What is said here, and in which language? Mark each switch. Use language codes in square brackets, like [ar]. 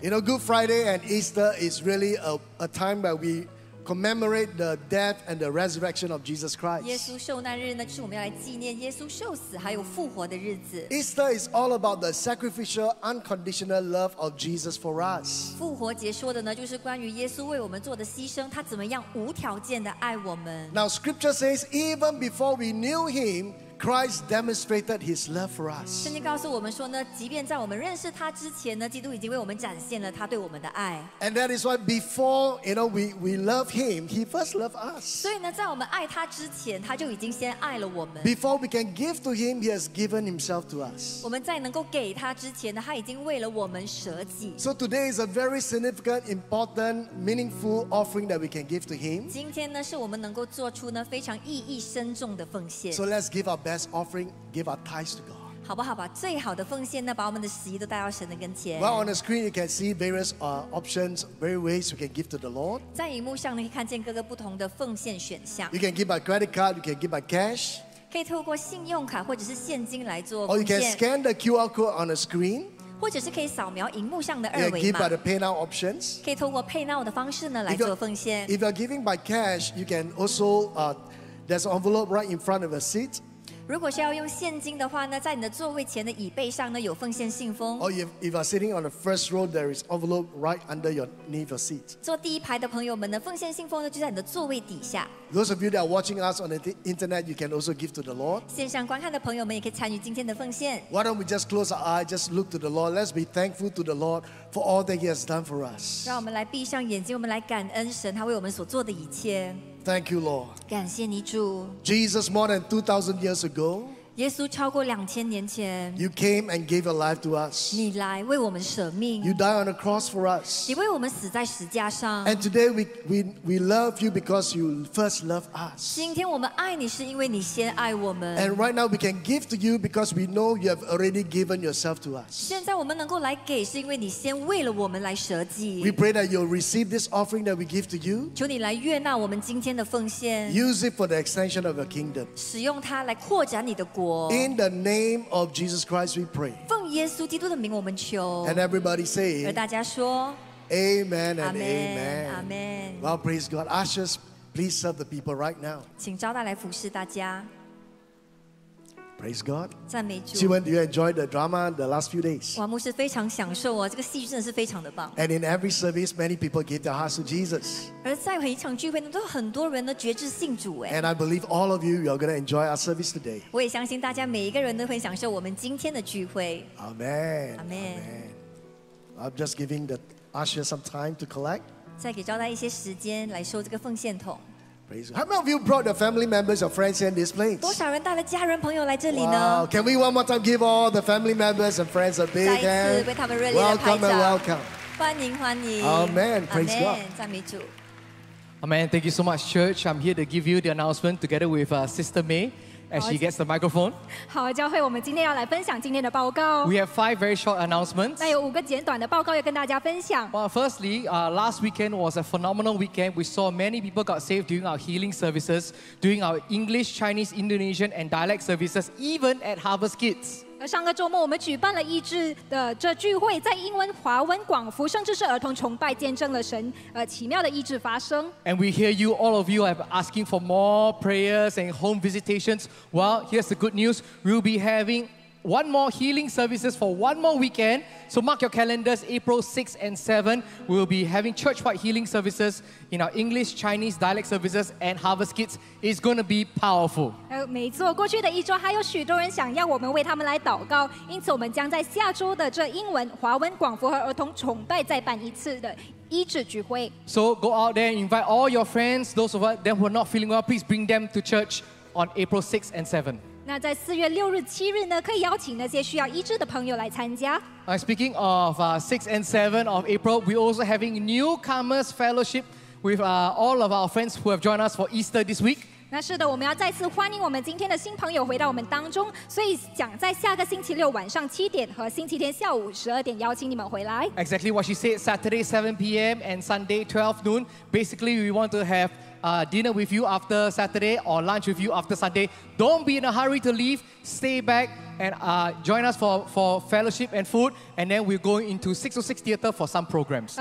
[en] You know, Good Friday and Easter is really a time where we commemorate the death and the resurrection of Jesus Christ. [zh] 耶稣受难日呢，是我们要来纪念耶稣受死还有复活的日子。 [en] Easter is all about the sacrificial, unconditional love of Jesus for us. [zh] 复活节说的呢，就是关于耶稣为我们做的牺牲，他怎么样无条件的爱我们。 [en] Now Scripture says, even before we knew him, Christ demonstrated His love for us. [zh] 圣经告诉我们说呢，即便在我们认识他之前呢，基督已经为我们展现了他对我们的爱。 [en] And that is why before you know we love Him, He first loved us. [zh] 所以呢，在我们爱他之前，他就已经先爱了我们。 [en] Before we can give to Him, He has given Himself to us. [zh] 我们在能够给他之前呢，他已经为了我们舍己。 [en] So today is a very significant, important, meaningful offering that we can give to Him. [zh] 今天呢，是我们能够做出呢非常意义深重的奉献。 [en] So let's give our best offering, give our tithes to God. [zh] 好不好把最好的奉献呢，把我们的十一都带到神的跟前。 [en] Well, on the screen you can see various options, various ways you can give to the Lord. [zh] 在荧幕上呢，可以看见各个不同的奉献选项。 [en] You can give by credit card, you can give by cash. [zh] 可以透过信用卡或者是现金来做奉献。 [en] Or you can scan the QR code on the screen. [zh] 或者是可以扫描荧幕上的二维码。 [en] Yeah, give by the pay now options. [zh] 可以透过 pay now 的方式呢来做奉献。 [en] If you're giving by cash, you can also there's an envelope right in front of the seat. [zh] 如果是要用现金的话呢，在你的座位前的椅背上呢有奉献信封。 [en] Or if you're sitting on the first row, there is envelope right under your knee of your seat. [zh] 坐第一排的朋友们呢，奉献信封呢就在你的座位底下。 [en] Those of you that are watching us on the internet, you can also give to the Lord. [zh] 线上观看的朋友们也可以参与今天的奉献。 [en] Why don't we just close our eyes, just look to the Lord? Let's be thankful to the Lord for all that He has done for us. [zh] 让我们来闭上眼睛，我们来感恩神他为我们所做的一切。 [en] Thank you, Lord. [zh] 感谢你主。 [en] Jesus, more than 2,000 years ago, [zh] 耶稣超过2,000年前 [en] you came and gave your life to us. [zh] 你来为我们舍命。 [en] You died on the cross for us. [zh] 你为我们死在十架上。 [en] And today we love you because you first loved us. [zh] 今天我们爱你是因为你先爱我们。 [en] And right now we can give to you because we know you have already given yourself to us. [zh] 现在我们能够来给是因为你先为了我们来舍己。 [en] We pray that you'll receive this offering that we give to you. [zh] 求你来悦纳我们今天的奉献。 [en] Use it for the extension of your kingdom. [zh] 使用它来扩展你的国。 [en] In the name of Jesus Christ, we pray. [zh] 奉耶稣基督的名，我们求。 [en] And everybody say. [zh] 而大家说。 [en] Amen and amen. Amen. Amen. Well, praise God. Ushers, please serve the people right now. [zh] 请招待来服侍大家。 [en] Praise God. [zh] 赞美主。请问 [en] do you enjoy the drama the last few days? [zh] 哇，牧师非常享受哦，这个戏剧真的是非常的棒。 [en] And in every service, many people give their hearts to Jesus. [zh] 而在每一场聚会呢，都很多人呢决志信主哎。 [en] And I believe all of you are going to enjoy our service today. [zh] 我也相信大家每一个人都会享受我们今天的聚会。 [en] Amen. Amen. I'm just giving the usher some time to collect. [zh] 再给招待一些时间来收这个奉献筒。 [en] How many of you brought your family members or friends in this place? [zh] 多少人带了家人朋友来这里呢 [en] Wow, can we one more time give all the family members and friends a big hand? [zh] 再一次为他们热烈的拍掌 [en] Welcome and welcome. [zh] 欢迎欢迎 [en] Amen, praise Amen. God. [zh] 赞美主 [en] Amen, thank you so much, church. I'm here to give you the announcement together with Sister May as she gets the microphone. [zh] 好，教会我们今天要来分享今天的报告 [en] We have 5 very short announcements. [zh] 那有5个简短的报告要跟大家分享 [en] Well, firstly, last weekend was a phenomenal weekend. We saw many people got saved during our healing services, during our English, Chinese, Indonesian, and dialect services, even at Harvest Kids. [zh] 上个周末我们举办了一致的这聚会在英文华文广福甚至是儿童崇拜见证了神奇妙的意志发生 [en] And we hear you, all of you are asking for more prayers and home visitations Well, here's the good news We'll be having one more healing services for one more weekend So mark your calendars, April 6 and 7 We'll be having church-wide healing servicesin our English, Chinese dialect services and Harvest Kids, it's going to be powerful. [zh] 没错，过去的一周还有许多人想要我们为他们来祷告，因此我们将在下周的这英文、华文、广福和儿童崇拜再办一次的医治聚会。 [en] So go out there and invite all your friends, those of them who are not feeling well, please bring them to church on April 6 and 7. [zh] 那在4月6日、7日呢，可以邀请那些需要医治的朋友来参加。 [en] Speaking of 6 and 7 of April, we're also having newcomers fellowship,With all of our friends who have joined us for Easter this week. [zh] 那是的，我们要再次欢迎我们今天的新朋友回到我们当中。所以讲在下个星期六晚上七点和星期天下午十二点邀请你们回来。 [en] Exactly what she said. Saturday 7 p.m. and Sunday 12 noon. Basically, we want to have dinner with you after Saturday or lunch with you after Sunday. Don't be in a hurry to leave. Stay back and join us for fellowship and food. And then we're going into 606 Theater for some programs.